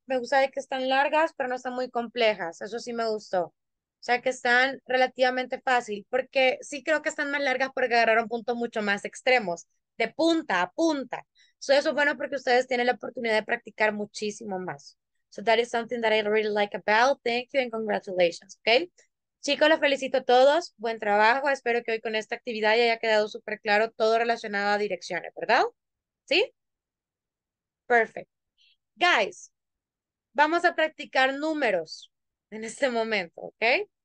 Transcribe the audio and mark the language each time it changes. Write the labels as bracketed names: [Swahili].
[Spanish] Me gusta que están largas, pero no están muy complejas. Eso sí me gustó. O sea, que están relativamente fácil, porque sí creo que están más largas porque agarraron puntos mucho más extremos, de punta a punta. So eso es bueno porque ustedes tienen la oportunidad de practicar muchísimo más. [English] So that is something that I really like about. Thank you and congratulations, okay? [Spanish] Chicos, los felicito a todos. Buen trabajo. Espero que hoy con esta actividad ya haya quedado súper claro todo relacionado a direcciones, ¿verdad? ¿Sí? Perfect. Guys, vamos a practicar números en este momento, ¿ok?